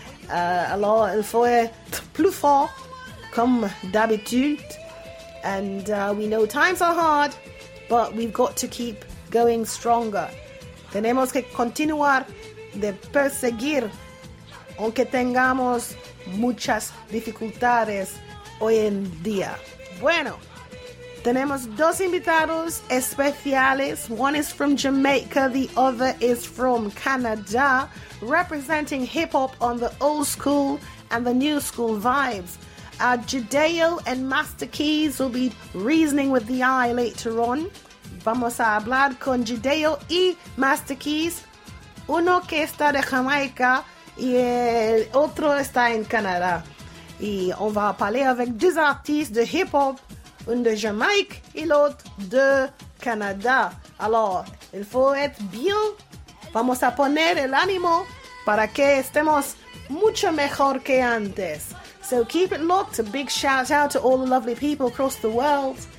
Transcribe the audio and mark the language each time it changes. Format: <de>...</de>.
<fr>Alors, il faut être plus fort, comme d'habitude.</fr> <en>And we know times are hard, but we've got to keep going stronger.</en> <es>Tenemos que continuar de perseguir. Aunque tengamos muchas dificultades hoy en día. Bueno, tenemos dos invitados especiales.</es> <en>One is from Jamaica, the other is from Canada, representing hip-hop on the old school and the new school vibes. Jideo and Master Keys will be reasoning with the eye later on.</en> <es>Vamos a hablar con Jideo y Master Keys. Uno que está de Jamaica, y el otro está en Canadá.</es> <fr>Y on va parler avec deux artistes de hip-hop, un de Jamaïque et l'autre de Canada. Alors, il faut être bien.</fr> <es>Vamos a poner el ánimo para que estemos mucho mejor que antes.</es> <en>So keep it locked. A big shout out to all the lovely people across the world.</en>